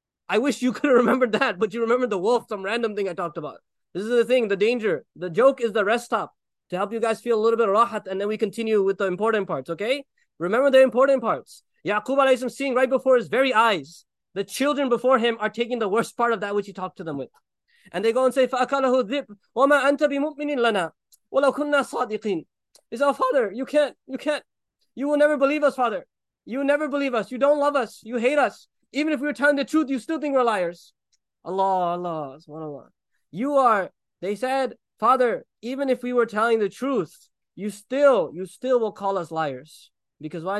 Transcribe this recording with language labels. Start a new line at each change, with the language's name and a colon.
English: I wish you could have remembered that, but you remember the wolf, some random thing I talked about. This is the thing, the danger. The joke is the rest stop to help you guys feel a little bit of rahat, and then we continue with the important parts, okay? Remember the important parts. Yaqub alayhi salam seeing right before his very eyes, the children before him are taking the worst part of that which he talked to them with. And they go and say,
Arabic: فَأَكَلَهُ الذِّبْ وَمَا أَنْتَ بِمُؤْمِنٍ لَنَا وَلَوْ كُنَّا صَادِقِينَ.
English: He said, oh, Father, you can't. You will never believe us, Father. You will never believe us. You don't love us. You hate us. Even if we were telling the truth, you still think we're liars. Allah, Allah, subhanAllah. You are, they said, Father, even if we were telling the truth, you still will call us liars. Because why?